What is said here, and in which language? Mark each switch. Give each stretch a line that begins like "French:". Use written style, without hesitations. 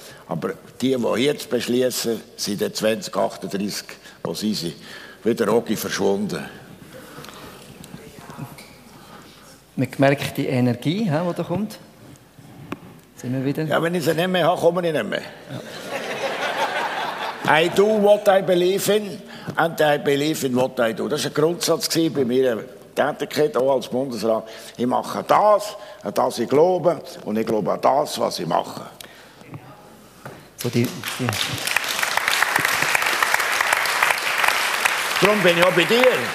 German: Aber die jetzt beschließen, sind dann 2038, wo sie sind, wieder Rogi verschwunden. Man merkt die Energie, die da kommt. Sind wir wieder? Ja, wenn ich sie nicht mehr habe, komme ich nicht mehr. Ja.
English: I do what I believe in, and I believe in what I do.
German: Das war ein Grundsatz bei mir. Tätigkeit auch als Bundesrat. Ich mache das, an das ich glaube, und ich glaube an das, was ich mache. So darum bin ich auch bei dir.